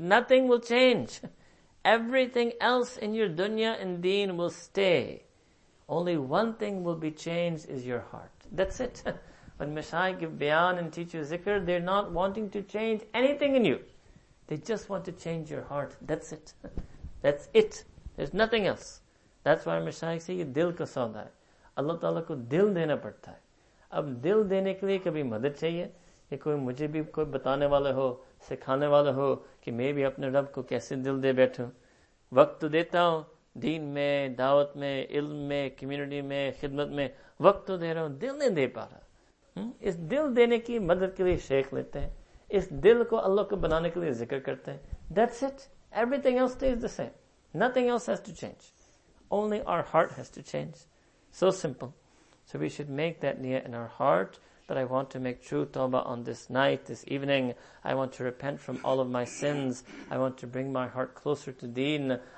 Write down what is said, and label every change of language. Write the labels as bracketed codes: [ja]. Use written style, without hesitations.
[en] Nothing will change. Everything else in your dunya and deen will stay. Only one thing will be changed is your heart. That's it. When mashayikh give bayan and teach you zikr, they're not wanting to change anything in you. They just want to change your heart. That's it. That's it. There's nothing else. That's why [ur] مشائخ say, یہ دل کا سودا ہے. اللہ تعالیٰ کو دل دینا پڑتا ہے. اب دل دینے کے لیے کبھی مدد چاہیے، یہ کوئی مجھے بھی کوئی بتانے والے ہو، سکھانے والے ہو، کہ میں بھی اپنے رب کو کیسے دل دے بیٹھوں. وقت تو دیتا ہوں، دین میں، دعوت میں، علم میں، کمیونٹی میں، خدمت میں، وقت تو دے رہا ہوں، دل نہیں دے پا رہا. اس دل دینے کی مدد کے لیے شیخ لیتے ہیں، اس دل کو اللہ کو بنانے کے لیے ذکر کرتے ہیں. [en] That's it. Everything else stays the same. Nothing else has to change. Only our heart has to change. So simple. So we should make that niyyah in our heart, that I want to make true tawbah on this night, this evening. I want to repent from all of my sins. I want to bring my heart closer to deen.